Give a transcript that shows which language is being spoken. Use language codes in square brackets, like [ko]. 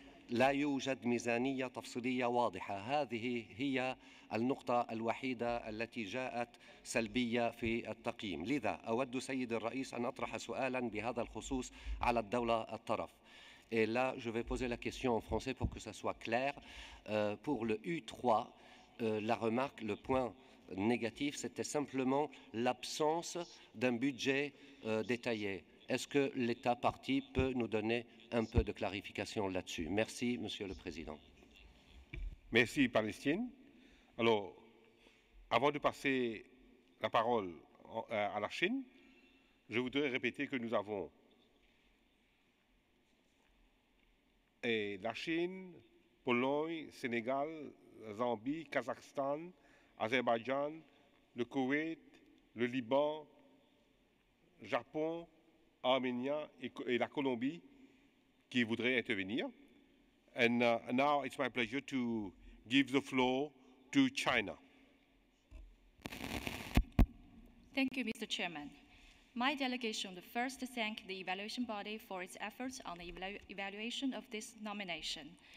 [ar] لا يوجد ميزانية تفصيلية واضحة هذه هي النقطة الوحيدة التي جاءت سلبية في التقييم لذا أود سيد الرئيس أن أطرح سؤالاً بهذا الخصوص على الدولة الطرف [fr] Et là, je vais poser la question en français pour que ça soit clair. Pour le U3, la remarque, le point négatif, c'était simplement l'absence d'un budget détaillé. Est-ce que l'État parti peut nous donner un peu de clarification là-dessus? Merci, Monsieur le Président. Merci, Palestine. Alors, avant de passer la parole à la Chine, je voudrais répéter que nous avons et la Chine, Pologne, Sénégal, Zambie, Kazakhstan, Azerbaïdjan, le Koweït, le Liban, Japon, Arménie et la Colombie qui voudraient intervenir. [en] And now it's my pleasure to give the floor to China. Thank you, Mr. Chairman. My delegation would first thank the evaluation body for its efforts on the evaluation of this nomination.